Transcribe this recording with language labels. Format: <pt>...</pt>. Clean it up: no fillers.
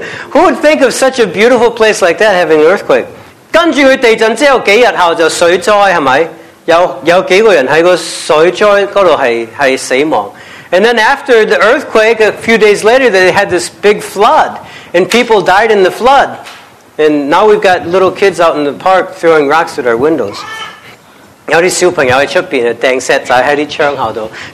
<en>Who would think of such a beautiful place like that having an earthquake?</en> <yue>跟住佢地震之後幾日後就水災係咪？有幾個人喺個水災嗰度係死亡。</yue> <en>And then after the earthquake, a few days later, they had this big flood, and people died in the flood. And now we've got little kids out in the park throwing rocks at our windows.</en> <yue>有啲小朋友喺出邊掟石仔喺啲窗口度。</yue>